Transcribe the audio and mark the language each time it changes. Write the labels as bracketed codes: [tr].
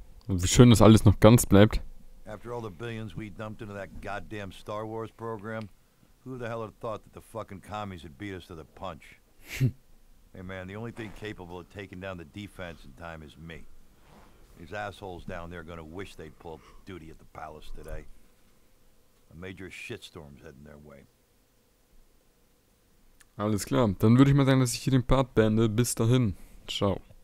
[de] Wie schön, dass alles noch ganz bleibt. [en] After all the billions we dumped into that goddamn Star Wars program, who the hell had thought that the fucking commies would beat us to the punch? Hey man, the only thing capable of taking down the defense in time is me. These assholes down there are gonna wish they'd pulled duty at the palace today. A major shitstorm's heading their way. [de] Alles klar, dann würde ich mal sagen, dass ich hier den Part beende. Bis dahin. Ciao.